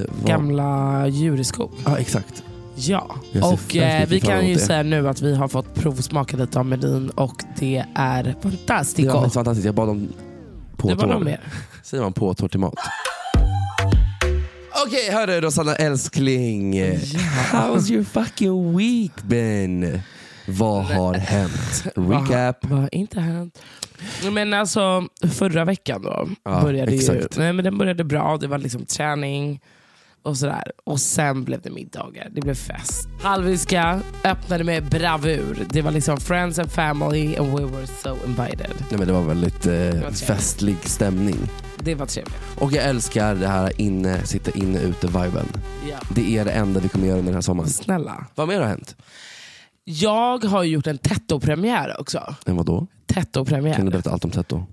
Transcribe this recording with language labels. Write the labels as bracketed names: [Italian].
[Swedish] Gamla Djureskog. Ja, exakt. Ja, och vi kan ju säga nu att vi har fått provsmaka lite av menyn och det är fantastiskt. Det är fantastiskt, jag bad om påtår. Det var någon mer. Säger man påtår till mat. Okej, okay, hörru Rosanna älskling. [English] Yeah. How's your fucking week been? [Swedish] Vad har hänt? Recap. Vad har inte hänt? Men alltså, förra veckan då, ja, började exakt. Ju, nej men den började bra, det var liksom träning och sådär. Och sen blev det middagar, det blev fest. Halviska öppnade med bravur, det var liksom [English] friends and family and we were so invited. [Swedish] Nej men det var väldigt festlig stämning. Det var trevligt. Och jag älskar det här inne, sitta inne ute viben. [English] Yeah. [Swedish] Det är det enda vi kommer göra under den här sommaren. Snälla. Vad mer har hänt? Jag har ju gjort en tetto-premiär också. En vadå? Tetto-premiär. Kan du berätta allt om tetto?